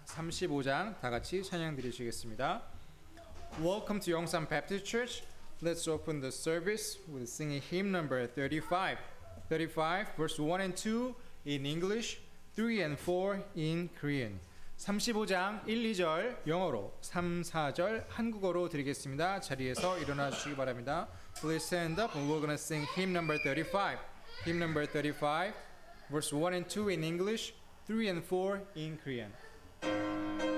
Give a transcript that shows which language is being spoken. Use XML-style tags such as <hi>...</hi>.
<ko>35장 다 같이 찬양 드리시겠습니다.</ko> <en>Welcome to Yongsan Baptist Church. Let's open the service with singing hymn number 35 verse 1 and 2 in English, 3 and 4 in Korean.</en> <ko>35장 1, 2절 영어로, 3, 4절 한국어로 드리겠습니다. 자리에서 일어나 주시기 바랍니다.</ko> <en>Please stand up and we're going to sing hymn number 35. Hymn number 35, verse 1 and 2 in English, 3 and 4 in Korean.</en>